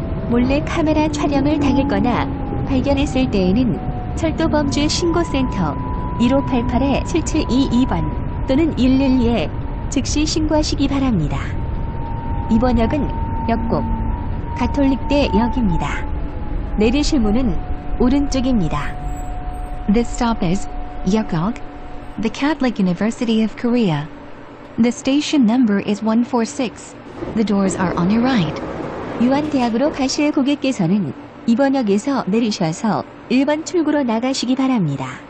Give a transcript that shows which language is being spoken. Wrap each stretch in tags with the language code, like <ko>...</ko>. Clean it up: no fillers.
<ko>몰래 카메라 촬영을 당했거나 발견했을 때에는 철도범죄 신고센터 1588-7722번 또는 112에 즉시 신고하시기 바랍니다. 이번 역은 역곡 가톨릭대 역입니다. 내리실 문은 오른쪽입니다.</ko> <en>This stop is Yeogok, the Catholic University of Korea. The station number is 146. The doors are on your right.</en> <ko>유한대학으로 가실 고객께서는 2번역에서 내리셔서 1번 출구로 나가시기 바랍니다.</ko>